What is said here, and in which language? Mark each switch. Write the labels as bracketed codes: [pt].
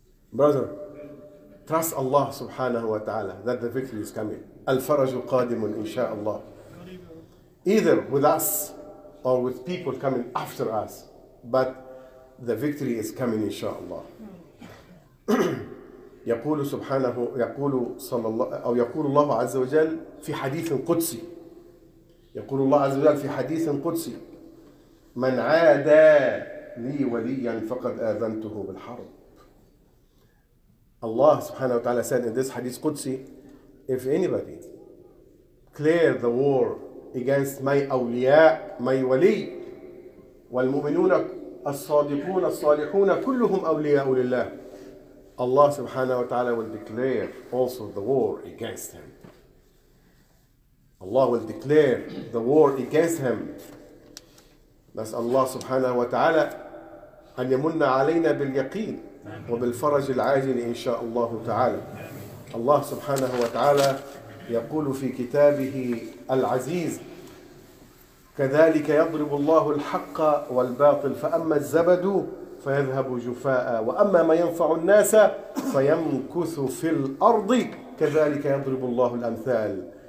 [en] Brother, trust Allah subhanahu wa ta'ala that the victory is coming. Al-Farajul Qadimun insha'Allah. Either with us or with people coming after us, but the victory is coming insha'Allah. [ar] يقول سبحانه يقول صلى الله أو يقول الله عز وجل في حديث قدسي يقول الله عز وجل في حديث قدسي من عادى لي وليا فقد آذنته بالحرب. [en] الله سبحانه وتعالى said in this حديث قدسي, if anybody clear the war against my أولياء my ولي [ar] والمؤمنون الصادقون الصالحون كلهم أولياء لله, [en] Allah subhanahu wa ta'ala will declare also the war against him. Allah will declare the war against him. [ar] That's Allah subhanahu wa ta'ala أن يمن علينا باليقين وبالفرج العاجل إن شاء الله تعالى. Allah subhanahu wa ta'ala يقول في كتابه العزيز كذلك يضرب الله الحق والباطل فأما الزبد فيذهب جفاء وأما ما ينفع الناس فيمكث في الأرض كذلك يضرب الله الأمثال.